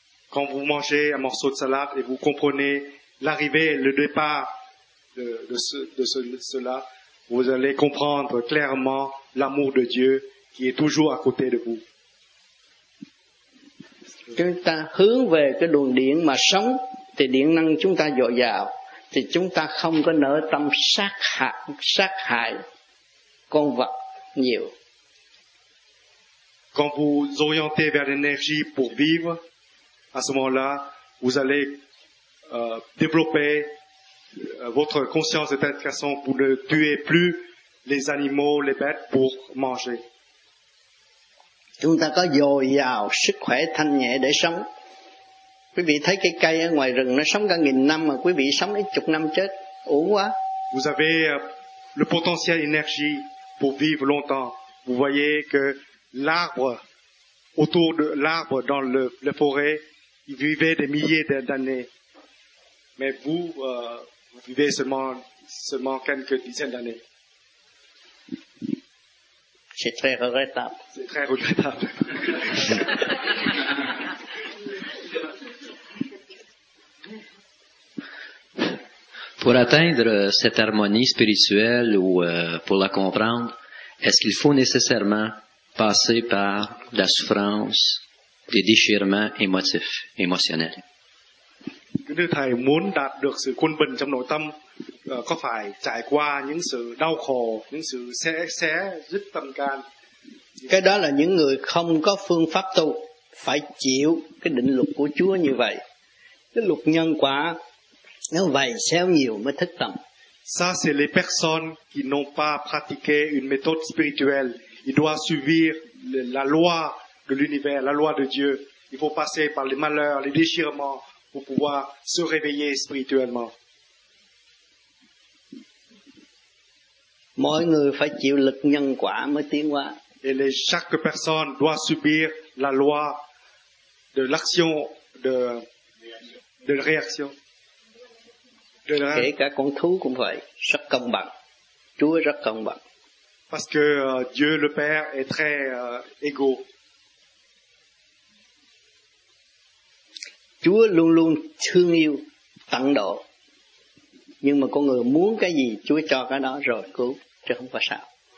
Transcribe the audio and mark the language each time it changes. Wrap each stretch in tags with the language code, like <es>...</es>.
<fr>Quand vous mangez un morceau de salade et vous comprenez l'arrivée, le départ de cela, vous allez comprendre clairement l'amour de Dieu qui est toujours à côté de vous.</fr> <vi>Chúng ta hướng về cái đường điện mà sống, thì điện năng chúng ta dồi dào, thì chúng ta không có nỡ tâm sát hại con vật nhiều.</vi> <fr>Quand vous orientez vers l'énergie pour vivre, à ce moment-là, vous allez développer votre conscience de telle façon pour ne tuer plus les animaux, les bêtes pour manger.</fr> <vi>Chúng ta có dồi dào sức khỏe thanh nhẹ để sống. Quý vị thấy cái cây ở ngoài rừng nó sống cả nghìn năm mà quý vị sống ít chục năm chết, uổng quá.</vi> <fr>Vous avez le potentiel énergie pour vivre longtemps, vous voyez que l'arbre, autour de l'arbre dans la forêt, il vivait des milliers d'années. Mais vous, vous vivez seulement quelques dizaines d'années. C'est très regrettable. C'est très regrettable. Pour atteindre cette harmonie spirituelle ou pour la comprendre, est-ce qu'il faut nécessairement passer par la souffrance, des déchirements émotifs, émotionnels?</fr> <vi>Nếu thầy muốn đạt được sự quân bình trong nội tâm, có phải trải qua những sự đau khổ, những sự xé rứt tâm can? Cái đó là những người không có phương pháp tu phải chịu cái định luật của Chúa như vậy. Cái luật nhân quả nó vầy xéo nhiều mới thức tâm.</vi> <fr>Ça c'est les personnes qui n'ont pas pratiqué une méthode spirituelle. Ils doivent suivre la loi de l'univers, la loi de Dieu. Il faut passer par les malheurs, les déchirements pour pouvoir se réveiller spirituellement.</fr> <vi>Mọi người phải chịu lực nhân quả mới tiến hóa.</vi> <fr>Et chaque personne doit subir la loi de l'action, de la réaction. De la...</fr> <vi>Kể cả con thú cũng vậy, rất công bằng. Chúa rất công bằng.</vi> <fr>Parce que Dieu le Père est très égaux.</fr> <vi>Chúa luôn luôn thương yêu, tận độ. Nhưng mà con người muốn cái gì, Chúa cho cái đó rồi cứu, chứ không phải sao.</vi>